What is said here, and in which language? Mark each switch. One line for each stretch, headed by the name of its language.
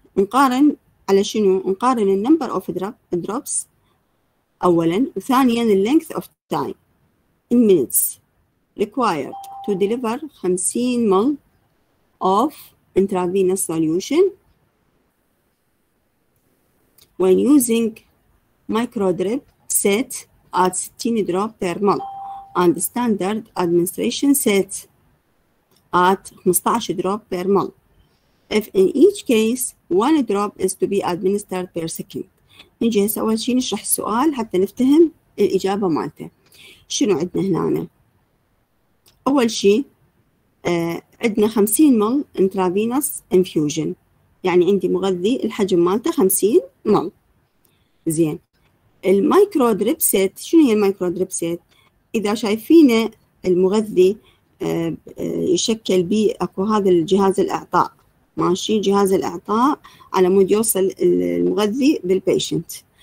Arabic: نقارن على شنو؟ نقارن
English: النمبر of drops اولا، وثانيا اللينث of time in minutes required to deliver 50 ml of intravenous solution when using micro drip set at 60 drop per ml and standard administration set at 15 drop per mole. If in each case one drop is to be administered per second.
Arabic: نجي هسه اول شيء نشرح السؤال حتى نفتهم الاجابه مالته. شنو عندنا هنا؟ اول شيء عندنا 50 مول انترافينوس انفيوجن، يعني عندي مغذي الحجم مالته 50 مول. زين، المايكرو دريب سيت، شنو هي المايكرو دريب سيت؟ إذا شايفين المغذي يشكل بي أكو هذا الجهاز الإعطاء، ماشي، جهاز الإعطاء على مود يوصل المغذي بالبيشنت.